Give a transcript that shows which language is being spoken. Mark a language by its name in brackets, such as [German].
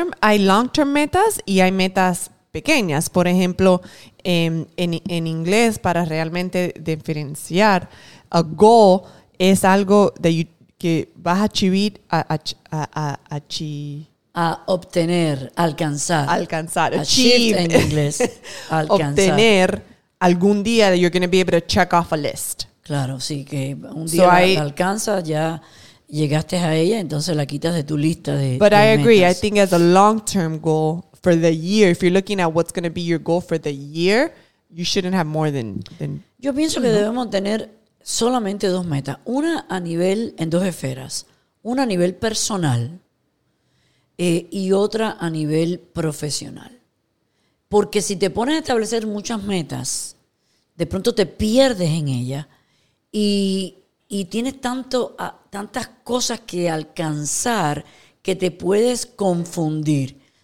[Spanish] Hay long-term metas y hay metas pequeñas. Por ejemplo, en inglés, para realmente diferenciar, [English] a goal [Spanish] es algo de que vas a obtener, alcanzar. Alcanzar. Achieve en inglés. Alcanzar. Obtener algún día [English] that you're going to be able to check off a list. [Spanish] Claro, sí, que un día la alcanzas, ya llegaste a ella, entonces la quitas de tu lista de [English] But [Spanish] de [English] I agree. [Spanish] Metas. [English] I think as a long-term goal for the year, if you're looking at what's going to be your goal for the year, you shouldn't have more than [Spanish] Yo pienso que debemos tener solamente dos metas, una a nivel, en dos esferas, una a nivel personal y otra a nivel profesional. Porque si te pones a establecer muchas metas, de pronto te pierdes en ellas y tienes tantas cosas que alcanzar que te puedes confundir.